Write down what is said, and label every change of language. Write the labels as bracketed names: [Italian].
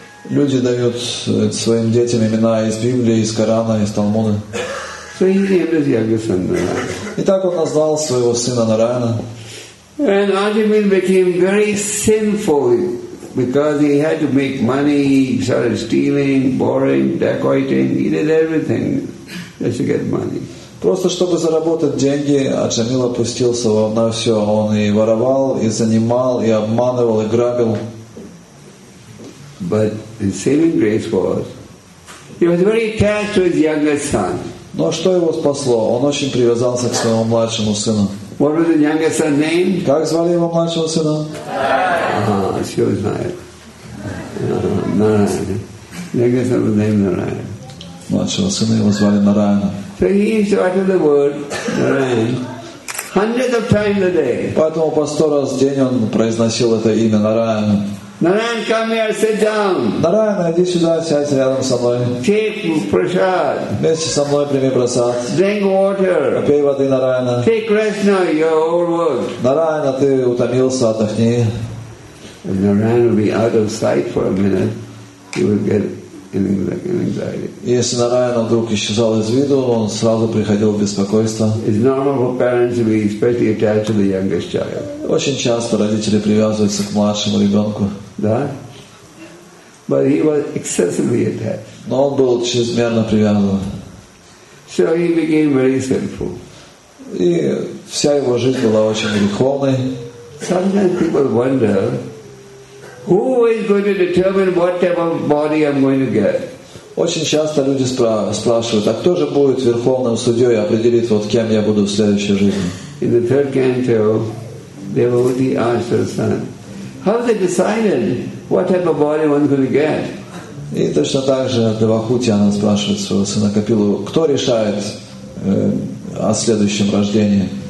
[Russian] Люди дают своим детям имена из Библии, из Корана, из Талмуда. [English] So he named his youngest son Narayan. [Russian] И так он назвал своего сына Нараяна. [English] And Ajamila became very sinful because he had to make money. He started stealing, borrowing, dacoiting. He did everything just to get money. [Russian] Просто чтобы заработать деньги, Ajamila пустился на все. Он и воровал, и занимал, и обманывал, и грабил. [English] But his saving grace was he was very attached to his youngest son. [Russian] Но что его спасло? Он очень привязался к своему младшему сыну. [English] What was the youngest son's name? [Russian] Как звали его младшего сына? Все знает. Нараяна. [English] Youngest son was named Нараяна. [Russian] Младшего сына его звали Нараяна. [English] So he used to utter the word Нараяна hundreds of times a day. [Russian] Поэтому по 100 раз в день он произносил это имя Нараяна. [English] Нараяна, come here, sit down. [Russian] Нараяна, иди сюда, сядь рядом со мной. [English] Take prasad. [Russian] Вместе со мной прими прасад. [English] Drink water. [Russian] Попей воды, Нараяна. [English] Take rest now, you're overworked. [Russian] Нараяна, ты утомился, отдохни. [English] If Нараяна will be out of sight for a minute, he will get anxiety. [Russian] Если Нараяна вдруг исчезал из виду, он сразу приходил в беспокойство. [English] It's normal for parents to be especially attached to the youngest child. [Russian] Очень часто родители привязываются к младшему ребенку. Да? [English] But he was excessively attached. [Russian] Но он был чрезмерно привязан. [English] So he became very sinful. [Russian] И вся его жизнь была очень греховной. [English] Sometimes people wonder, who is going to determine what type of body I'm going to get? [Russian] Очень часто люди спрашивают, а кто же будет верховным судьей определить, вот кем я буду в следующей жизни? [English] In the third canto, devotee asked her son, how they decided what type of body one's going to get? [Russian] И точно так же Девахути она спрашивает своего сына Капилу, кто решает о следующем рождении?